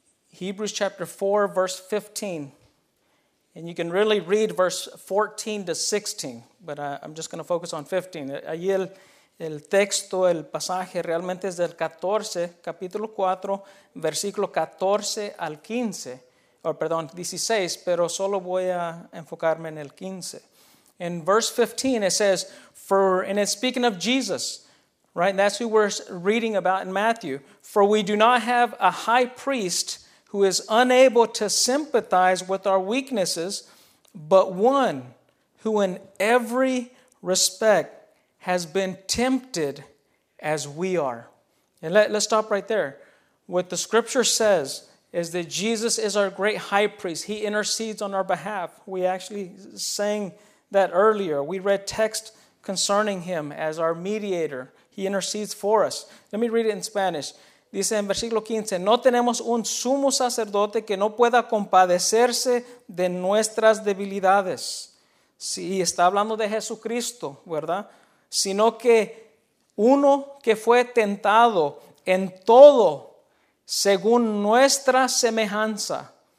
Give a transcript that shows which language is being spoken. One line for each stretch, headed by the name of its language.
English: Hebrews chapter 4, verse 15. And you can really read verse 14 to 16, but I'm just going to focus on 15.
Spanish: Allí el texto, el pasaje realmente es del 14, capítulo 4, versículo 14 al 15, or perdón, 16, pero solo voy a enfocarme en el 15.
English: In verse 15, it says, and it's speaking of Jesus, right? That's who we're reading about in Matthew. For we do not have a high priest who is unable to sympathize with our weaknesses, but one who in every respect has been tempted as we are. And let's stop right there. What the scripture says is that Jesus is our great high priest. He intercedes on our behalf. We actually sang that earlier. We read text concerning him as our mediator. He intercedes for us. Let me read it in Spanish.
Spanish: Dice en versículo 15, no tenemos un sumo sacerdote que no pueda compadecerse de nuestras debilidades. Sí, está hablando de Jesucristo, ¿verdad? Sino que uno que fue tentado en todo según nuestra semejanza.